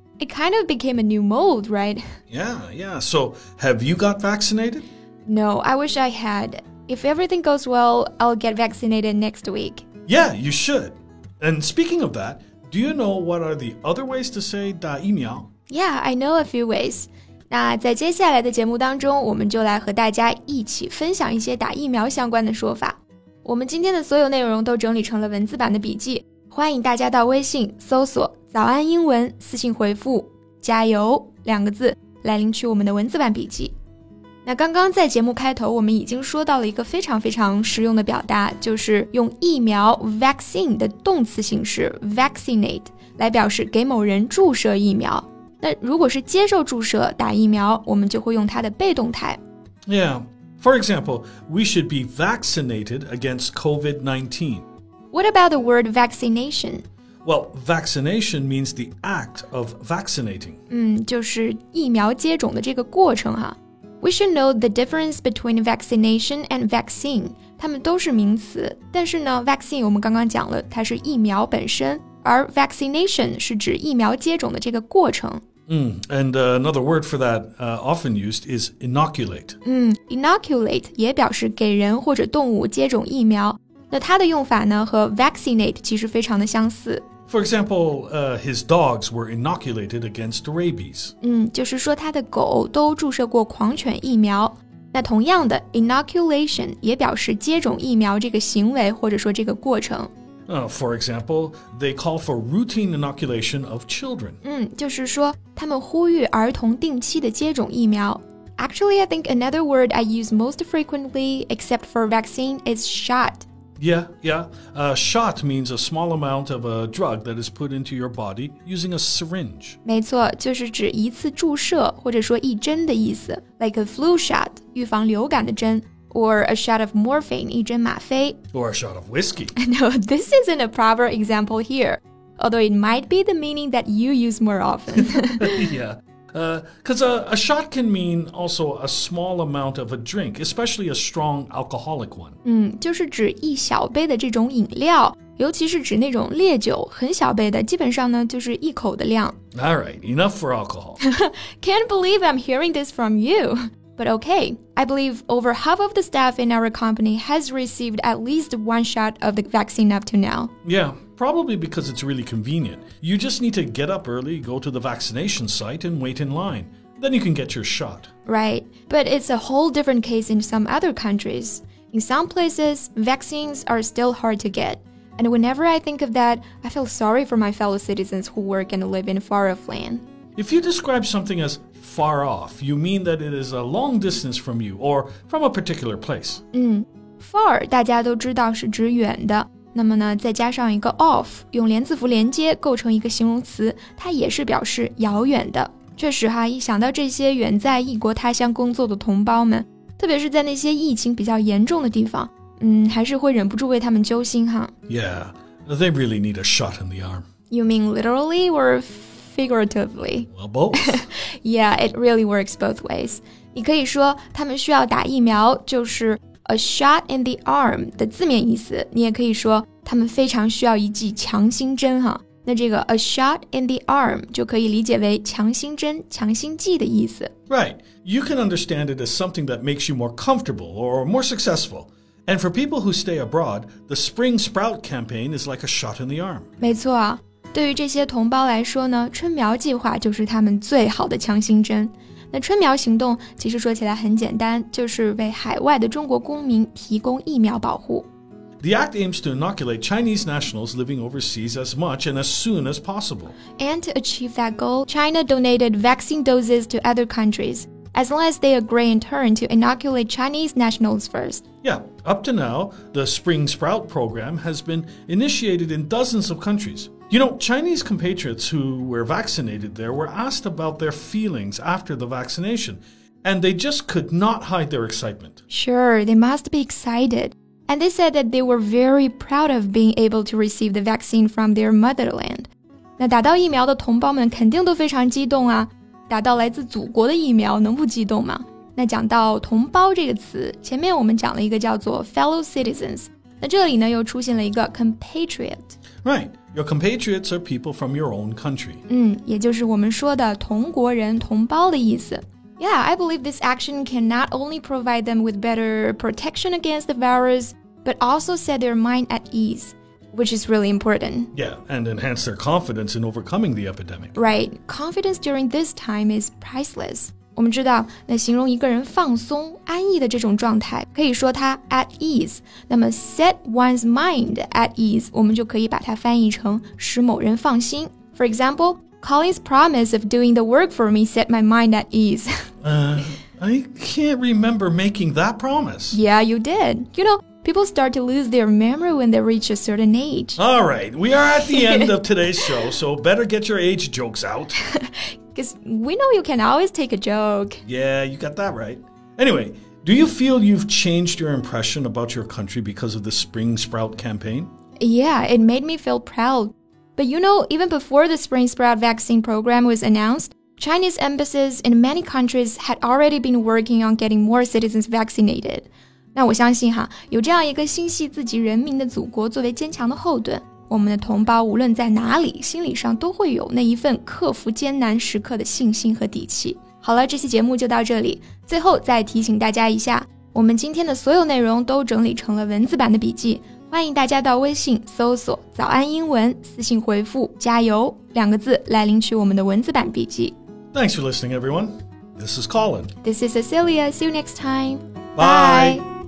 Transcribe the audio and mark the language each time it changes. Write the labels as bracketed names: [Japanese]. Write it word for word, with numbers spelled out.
[English] It kind of became a new mode, right? Yeah, yeah. So, have you got vaccinated? No, I wish I had. If everything goes well, I'll get vaccinated next week. Yeah, you should. And speaking of that, do you know what are the other ways to say [Chinese] 打疫苗? [English] Yeah, I know a few ways. [Chinese] 那在接下来的节目当中，我们就来和大家一起分享一些打疫苗相关的说法。我们今天的所有内容都整理成了文字版的笔记，欢迎大家到微信搜索早安英文，私信回复加油两个字来领取我们的文字版笔记。那刚刚在节目开头我们已经说到了一个非常非常实用的表达，就是用疫苗 vaccine 的动词形式 vaccinate 来表示给某人注射疫苗。那如果是接受注射打疫苗，我们就会用它的被动态。 [English] Yeah. For example, we should be vaccinated against COVID nineteen. What about the word vaccination? Well, vaccination means the act of vaccinating. [Chinese] 嗯，就是疫苗接种的这个过程哈。 [English] We should know the difference between vaccination and vaccine. [Chinese] 它们都是名词，但是呢 vaccine 我们刚刚讲了，它是疫苗本身，而 vaccination 是指疫苗接种的这个过程。 [English] Mm, and uh, another word for that uh, often used is inoculate. [Chinese] 嗯 inoculate 也表示给人或者动物接种疫苗。那它的用法呢和 vaccinate 其实非常的相似。 [English] For example, uh, his dogs were inoculated against rabies. [Chinese] 嗯，就是说他的狗都注射过狂犬疫苗。那同样的 inoculation 也表示接种疫苗这个行为或者说这个过程。 [English] Uh, for example, they call for routine inoculation of children. [Chinese] 嗯，就是说他们呼吁儿童定期的接种疫苗。 [English] Actually, I think another word I use most frequently, except for vaccine, is shot. Yeah, yeah. A shot means a small amount of a drug that is put into your body using a syringe. [Chinese] 没错，就是指一次注射或者说一针的意思。 [English] Like a flu shot, [Chinese] 预防流感的针。 [English] Or a shot of morphine, [Chinese] 一针吗啡。 [English] Or a shot of whiskey. No, this isn't a proper example here. Although it might be the meaning that you use more often. Yeah, because uh, a, a shot can mean also a small amount of a drink, especially a strong alcoholic one. [Chinese] 嗯，就是指一小杯的这种饮料，尤其是指那种烈酒，很小杯的，基本上呢就是一口的量。 [English] All right, enough for alcohol. Can't believe I'm hearing this from you. But okay, I believe over half of the staff in our company has received at least one shot of the vaccine up to now. Yeah, probably because it's really convenient. You just need to get up early, go to the vaccination site, and wait in line. Then you can get your shot. Right, but it's a whole different case in some other countries. In some places, vaccines are still hard to get. And whenever I think of that, I feel sorry for my fellow citizens who work and live in far-off land. If you describe something as far off, you mean that it is a long distance from you or from a particular place. [Chinese] 嗯 far 大家都知道是指远的，那么呢，再加上一个 off， 用连字符连接构成一个形容词，它也是表示遥远的。确实哈，一想到这些远在异国他乡工作的同胞们，特别是在那些疫情比较严重的地方，嗯，还是会忍不住为他们揪心哈。 [English] Yeah, they really need a shot in the arm. You mean literally or... Figuratively. Well, both. Yeah, it really works both ways. [Chinese] 你可以说他们需要打疫苗，就是 [English] a shot in the arm [Chinese] 的字面意思。你也可以说他们非常需要一剂强心针哈。那这个 [English] a shot in the arm [Chinese] 就可以理解为强心针、强心剂的意思。 [English] Right. You can understand it as something that makes you more comfortable or more successful. And for people who stay abroad, the Spring Sprout campaign is like a shot in the arm. [Chinese] 没错啊，对于这些同胞来说呢，春苗计划就是他们最好的强心针。那春苗行动其实说起来很简单，就是为海外的中国公民提供疫苗保护。 [English] The act aims to inoculate Chinese nationals living overseas as much and as soon as possible. And to achieve that goal, China donated vaccine doses to other countries, as long as they agree in turn to inoculate Chinese nationals first. Yeah, up to now, the Spring Sprout program has been initiated in dozens of countries. You know, Chinese compatriots who were vaccinated there were asked about their feelings after the vaccination, and they just could not hide their excitement. Sure, they must be excited. And they said that they were very proud of being able to receive the vaccine from their motherland. [Chinese] 那打到疫苗的同胞们肯定都非常激动啊，打到来自祖国的疫苗能不激动吗？那讲到同胞这个词，前面我们讲了一个叫做 [English] fellow citizens， [Chinese] 那这里呢又出现了一个 compatriot. [English] Right, your compatriots are people from your own country. [Chinese] 嗯，也就是我们说的同国人、同胞的意思。 [English] Yeah, I believe this action can not only provide them with better protection against the virus, but also set their mind at ease, which is really important. Yeah, and enhance their confidence in overcoming the epidemic. Right, confidence during this time is priceless. [Chinese] 我们知道，那形容一个人放松、安逸的这种状态，可以说他 at ease. 那么 [English] set one's mind at ease, [Chinese] 我们就可以把它翻译成使某人放心。 [English] For example,Colin's promise of doing the work for me set my mind at ease. uh, I can't remember making that promise. Yeah, you did. You know, people start to lose their memory when they reach a certain age. All right, we are at the end of today's show, so better get your age jokes out. Because we know you can always take a joke. Yeah, you got that right. Anyway, do you feel you've changed your impression about your country because of the Spring Sprout campaign? Yeah, it made me feel proud. But you know, even before the Spring Sprout vaccine program was announced, Chinese embassies in many countries had already been working on getting more citizens vaccinated. [Chinese] 那我相信哈，有这样一个心系自己人民的祖国作为坚强的后盾，我们的同胞无论在哪里，心理上都会有那一份克服艰难时刻的信心和底气。好了，这期节目就到这里。最后再提醒大家一下，我们今天的所有内容都整理成了文字版的笔记。欢迎大家到微信搜索早安英文，私信回复加油两个字来领取我们的文字版笔记。 [English] Thanks for listening, everyone. This is Colin. This is Cecilia. See you next time. Bye. Bye.